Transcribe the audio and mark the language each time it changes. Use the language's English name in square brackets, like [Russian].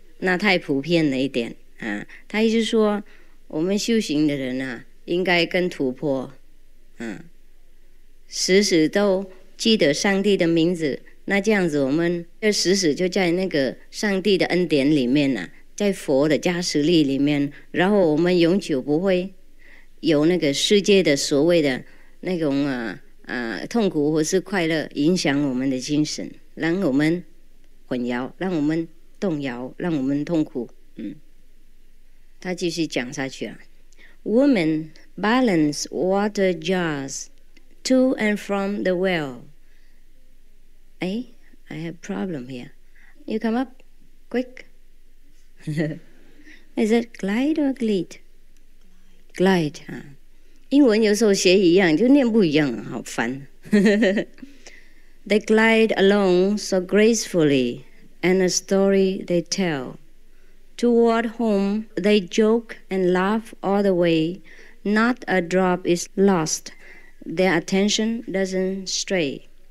[Chinese] 那太普遍了一点、啊、他一直说我们修行的人、啊、应该更突破、啊、时时都记得上帝的名字，那这样子我们就时时就在那个上帝的恩典里面、啊、在佛的加持力里面，然后我们永久不会有那个世界的所谓的那种痛苦或是快乐影响我们的精神，让我们混淆，让我们动摇，让我们痛苦。他继续讲下去啊。 [English] Women balance water jars to and from the well. I have problem here. You come up. Quick. Is it glide or glide? Glide, huh? [Chinese] 英文有时候学一样就念不一样，好烦。 [English] They glide along so gracefully, and a story they tell. Toward home, they joke and laugh all the way. Not a drop is lost. Their attention doesn't stray.